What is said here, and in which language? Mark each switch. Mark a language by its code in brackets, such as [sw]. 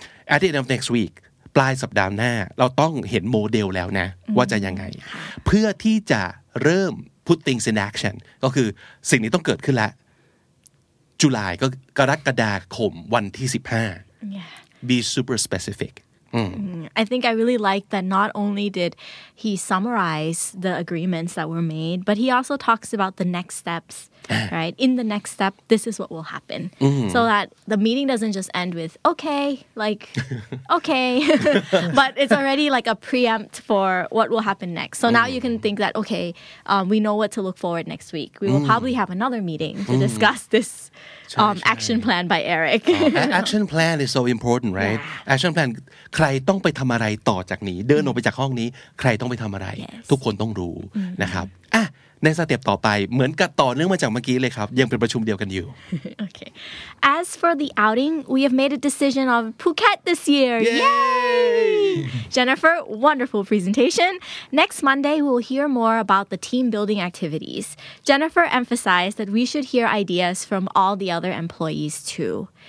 [en] at the end of next week [th] ปลายสัปดาห์หน้าเราต้องเห็นโมเดลแล้วนะว่าจะยังไงเพื่อที่จะเริ่ม [en] put things in action [th] ก็คือสิ่งนี้ต้องเกิดขึ้นแล้วจุลายก็กรกฎาคมวันที่15 [en] be super specific I think I really like that not only did he summarize the agreements that were made, but he also talks about the next steps, right? In the next step, this is what will happen. Mm-hmm. So that the meeting doesn't just end with, okay, like, okay. But it's already like a preempt for what will happen next. So now mm-hmm. you can think that, okay, we know what to look forward next week. We will probably have another meeting to discuss this action plan by Eric. Action plan is so important, right? Yeah. Action plan... [th] ใครต้องไปทำอะไรต่อจากนี้เดินออกไปจากห้องนี้ใครต้องไปทำอะไร [en] yes. [th] ทุกคนต้องรู้นะครับอ่ะในสเต็ปต่อไปเหมือนกับต่อเนื่องมาจากเมื่อกี้เลยครับยังเป็นประชุมเดียวกันอยู่ [en] Okay. As for the outing, we have made a decision of Phuket this year. Yay! Jennifer, wonderful presentation. Next Monday, we'll hear more about the team building activities. Jennifer emphasized that we should hear ideas from all the other employees too.